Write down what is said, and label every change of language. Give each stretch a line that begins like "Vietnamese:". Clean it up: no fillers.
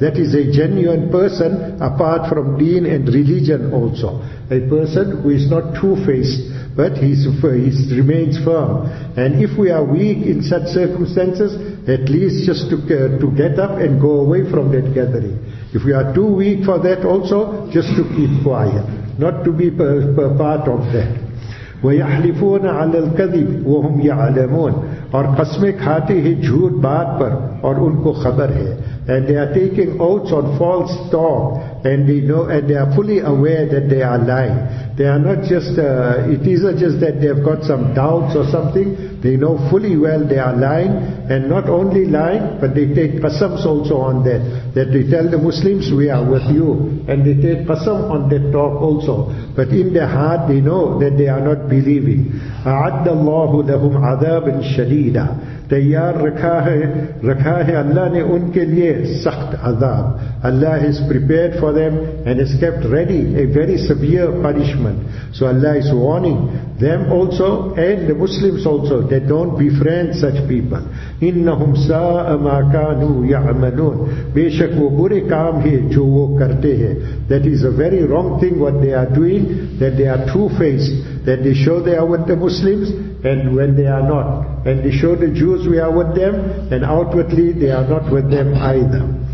English: That is a genuine person, apart from deen and religion also. A person who is not two-faced. but he remains firm. And if we are weak in such circumstances, at least just to get up and go away from that gathering. If we are too weak for that also, just to keep quiet, not to be per part of that.
Arabic: وَيَحْلِفُونَ عَلَى الْكَذِبِ وَهُمْ يَعْلَمُونَ
Urdu: اور قسمیں کھاتے ہیں جھوٹ بات پر اور ان کو خبر ہے.
English: And they are taking oaths on false talk, and they know, and they are fully aware that they are lying. They are not just, it isn't just that they have got some doubts or something, they know fully well they are lying, and not only lying, but they take qasams also on that. That they tell the Muslims, we are with you, and they take qasam on that talk also. But in their heart they know that they are not believing.
Arabic: أَعَدَّ اللَّهُ لَهُمْ عَذَابٍ شَدِيدًا
Urdu: تیار رکھا ہے اللہ نے ان کے لئے سخت عذاب.
English: Allah has prepared for them and has kept ready a very severe punishment. So Allah is warning them also and the Muslims also that don't befriend such people.
Arabic: إِنَّهُمْ سَاءَ مَا كَانُوا يَعْمَلُونَ
Urdu: بے شک وہ برے کام ہے جو وہ کرتے ہیں.
English: That is a very wrong thing what they are doing, that they are two-faced, that they show they are with the Muslims and when they are not. And they show the Jews we are with them, and outwardly they are not with them either.